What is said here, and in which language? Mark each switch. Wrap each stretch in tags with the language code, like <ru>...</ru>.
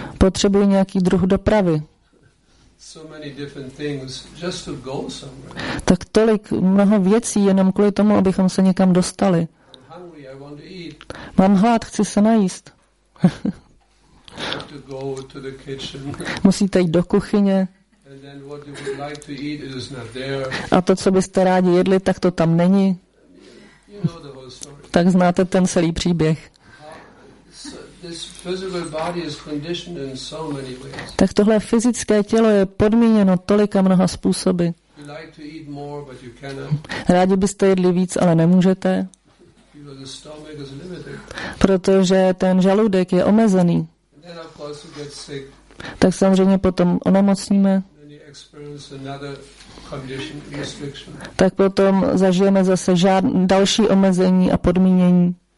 <cs>Potřebuji nějaký druh dopravy.</cs> <en>So many different things just to go somewhere.</en> <cs>Tak tolik mnoho věcí jenom kvůli tomu, abychom se někam dostali.</cs> <en>I'm hungry, I want to eat.</en> <cs>Mám hlad, chci se najíst.</cs> <en>To go to the kitchen.</en> <cs>Musíte jít do kuchyně.</cs> <en>And then what you would like to eat, it is not there.</en> <cs>A to, co byste rádi jedli, tak to tam není.</cs> <en>You know the whole story.</en> <cs>Tak znáte ten celý příběh.</cs> <en>This physical body is conditioned in so many ways.</en> <cs>Tak tohle fyzické tělo je podmíněno tolika mnoha způsoby.</cs> <en>You like to eat more, but you cannot.</en> <cs>Rádi byste jedli víc, ale nemůžete.</cs> <en>Because the stomach is limited.</en> <cs>Protože ten žaludek je omezený.</cs> <en>And then of course you get sick.</en> <cs>Tak samozřejmě potom onemocníme.</cs> <en>And you experience another condition, restriction.</en> <cs>Tak potom zažijeme zase další omezení a podmínění.</cs>